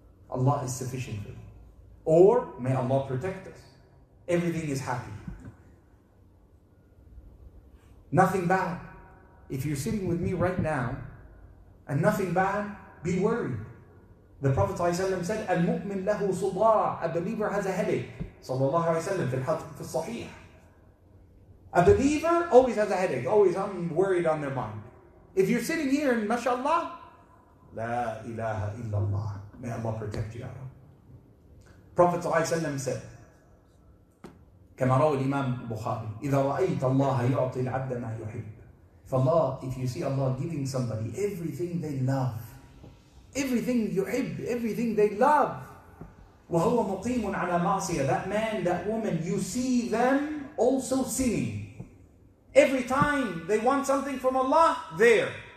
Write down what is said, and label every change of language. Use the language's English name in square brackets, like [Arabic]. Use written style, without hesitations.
[English] Allah is sufficient for you. Or, may Allah protect us. Everything is happy. Nothing bad. If you're sitting with me right now, and nothing bad, be worried. The Prophet ﷺ said, المؤمن له صداع. A believer has a headache. [Arabic] صلى الله عليه وسلم في الحديث في الصحيح. [English] A believer always has a headache, always I'm worried on their mind. If you're sitting here in mashallah, La ilaha illallah, may Allah protect you. Prophet ﷺ said, كما روى الإمام البخاري, إذا رأيت الله يعطي العبد ما يحب. For Allah, if you see Allah giving somebody everything they love, everything يحب, everything they love, وهو مقيم على معصية, that man, that woman, you see them also sinning. Every time they want something from Allah, there.